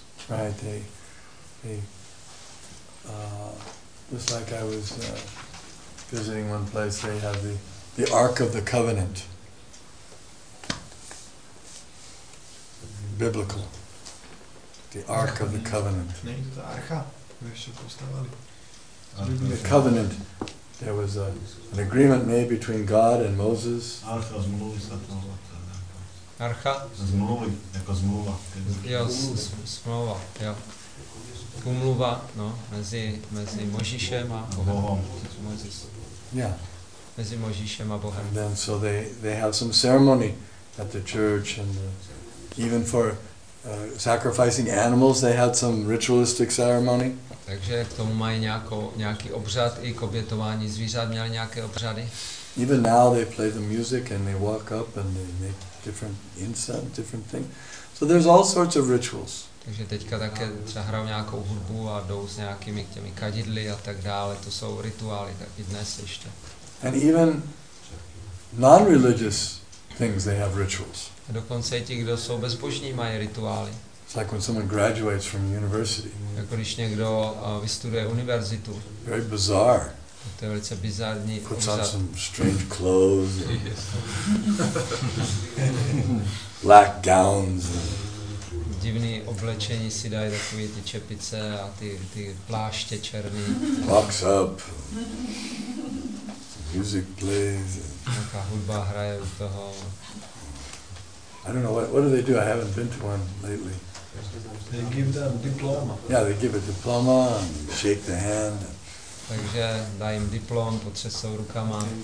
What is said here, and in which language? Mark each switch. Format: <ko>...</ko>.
<en>Right, they just like I was visiting one place, they have the Ark of the Covenant. Biblical. The Ark of the Covenant. The Covenant. There was an agreement made between God and Moses.</en> <cs>Archa, zmluvy. Archa? Zmluvy, jako zmluva. Jo, smlouva, jo. Umluva, no, mezi Možíšem a Bohem. Mozes.</cs> <en>Yeah.</en> <cs>Mezi Možíšem a Bohem.</cs> <en>And then, so they have some ceremony at the church and even for sacrificing animals, they had some ritualistic ceremony.</en> <cs>Takže k tomu mají nějaký obřad, i k obětování zvířat měli nějaké obřady.</cs> <en>Even now they play the music and they walk up and they make different incense, different thing. So there's all sorts of rituals.</en> <cs>Takže teďka také třeba hrajou nějakou hudbu a jdou s nějakými těmi kadidly a tak dále. To jsou rituály, tak i dnes ještě.</cs> <en>And even non-religious things, they have rituals.</en> <cs>Dokonce i ti, kdo jsou bezbožní, mají rituály.</cs> <en>It's like when someone graduates from university.</en> <cs>Jako když někdo vystuduje univerzitu.</cs> <en>Very bizarre.</en> <cs>A to je velice bizarní.</cs> <en>Puts on some strange clothes. And black gowns.</en> <cs>Divný oblečení si dají, takové ty čepice a ty pláště černý.</cs> <en>Walks up. Music plays.</en> <cs>Nějaká hudba hraje u toho.</cs> <en>I don't know what do they do. I haven't been to one lately. They give them diploma. Yeah, they give a diploma and shake the hand.</en> <cs>Takže dají jim diplom, potřesou rukama.</cs>